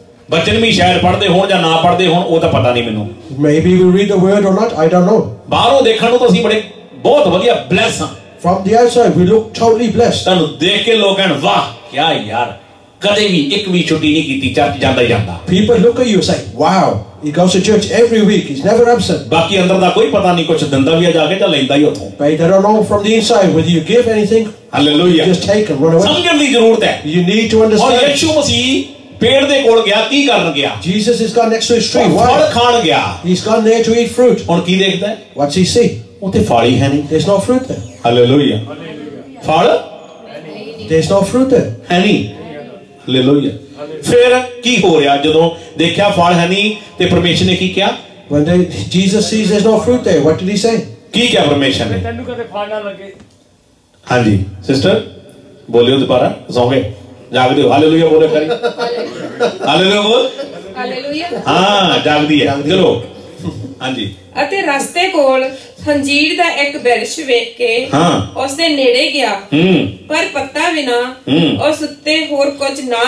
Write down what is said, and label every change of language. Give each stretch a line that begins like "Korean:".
Punjabi: ਬਚਨ ਵੀ ਸ਼ਾਇਦ ਪੜ੍ਹਦੇ ਹੋਣ ਜਾਂ ਨਾ ਪੜ੍ਹਦੇ ਹੋਣ ਉਹ ਤਾਂ ਪਤਾ ਨਹੀਂ ਮੈਨੂੰ.
English: Maybe we read the word or not, I don't know.
Punjabi: ਬਾਹਰੋਂ ਦੇਖਣ ਨੂੰ ਤਾਂ ਅਸੀਂ ਬੜੇ ਬਹੁਤ ਵਧੀਆ ਬਲੈਸ ਹਾਂ.
English: From the outside, we look totally blessed.
Punjabi: ਤਾਂ ਦੇਖ ਕੇ ਲੋਕ ਕਹਿੰਦੇ ਵਾਹ ਕਿਆ ਯਾਰ ਕਦੇ ਵੀ ਇੱਕ ਵੀ ਛੁੱਟੀ ਨਹੀਂ ਕੀਤੀ ਚਰਚ ਜਾਂਦਾ ਹੀ ਜਾਂਦਾ
English: people look at you say wow he goes to church every week he's never absent
Punjabi: ਬਾਕੀ ਅੰਦਰ ਦਾ ਕੋਈ ਪਤਾ ਨਹੀਂ ਕੁਝ ਦਿੰਦਾ ਵੀ ਆ ਜਾ ਕੇ ਤਾਂ ਲੈਂਦਾ ਹੀ ਉਥੋਂ
English: but they don't know from the inside whether you give anything hallelujah just take and run away
Punjabi: ਸਮਝਣ ਦੀ ਜ਼ਰੂਰਤ ਹੈ
English: you need to understand
Punjabi: ਔਰ ਯਿਸੂ ਮਸੀਹ ਪੇੜ ਦੇ ਕੋਲ ਗਿਆ ਕੀ ਕਰਨ ਗਿਆ
English: jesus is gone next to a tree
Punjabi: ਫਲ ਖਾਣ ਗਿਆ
English: he's gone there to eat fruit
Punjabi: ਹੁਣ ਕੀ ਦੇਖਦਾ
English: what's he see
Punjabi: ਉਤੇ ਫਲ ਹੀ ਹੈ ਨਹੀਂ
English: there's no fruit there
Punjabi: hallelujah ਫਲ
English: there's no fruit there
Punjabi: ਹੈ ਨਹੀਂ hallelujah ਫਿਰ ਕੀ ਹੋ ਰਿਹਾ ਜਦੋਂ ਦੇਖਿਆ ਫਲ ਹੈ ਨਹੀਂ ਤੇ ਪਰਮੇਸ਼ਰ ਨੇ ਕੀ ਕਿਹਾ
English: when the jesus sees there's no fruit there what did he say
Punjabi: ਕੀ ਕਿਹਾ ਪਰਮੇਸ਼ਰ ਨੇ ਤੈਨੂੰ ਕਦੇ ਫਲ ਨਾ ਲੱਗੇ ਹਾਂਜੀ ਸਿਸਟਰ ਬੋਲਿਓ ਦੁਬਾਰਾ ਜ਼ੋਵੇ ਜਾਗਦੇ ਹੋ hallelujah ਬੋਲੇ ਕਰੀ hallelujah ਬੋਲ hallelujah ਹਾਂ ਜਾਗਦੀ ਹੈ ਚਲੋ ਹਾਂਜੀ ਅਤੇ ਰਸਤੇ ਕੋਲ ਖੰਜੀਰ ਦਾ ਇੱਕ ਬਿਰਛ ਵੇਖ ਕੇ ਉਸ ਦੇ ਨੇੜੇ ਗਿਆ ਪਰ ਪੱਤਾ ਬਿਨਾ ਉਸ ਉੱਤੇ ਹੋਰ ਕੁਝ ਨਾ